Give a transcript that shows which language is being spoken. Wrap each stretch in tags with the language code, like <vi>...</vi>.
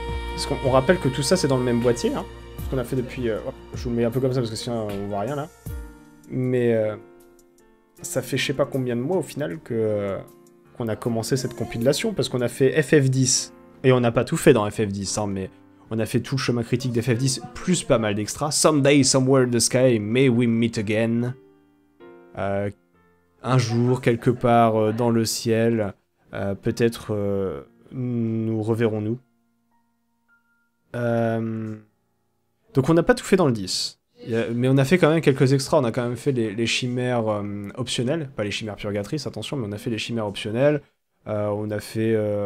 <fr>Parce qu'on rappelle que tout ça, c'est dans le même boîtier, hein. Ce qu'on a fait depuis... je vous le mets un peu comme ça, parce que sinon, on voit rien, là. Mais... ça fait je sais pas combien de mois, au final, qu'on a commencé cette compilation, parce qu'on a fait FF10. Et on n'a pas tout fait dans FF10, hein, mais... On a fait tout le chemin critique d'FF10, plus pas mal d'extras.</fr> <en>Someday, somewhere in the sky, may we meet again.</en> <fr>Un jour, quelque part dans le ciel, peut-être nous reverrons-nous. Donc on n'a pas tout fait dans le 10. Mais on a fait quand même quelques extras, on a quand même fait les chimères optionnelles, pas les chimères purgatrices, attention, mais on a fait les chimères optionnelles, on a fait...</fr>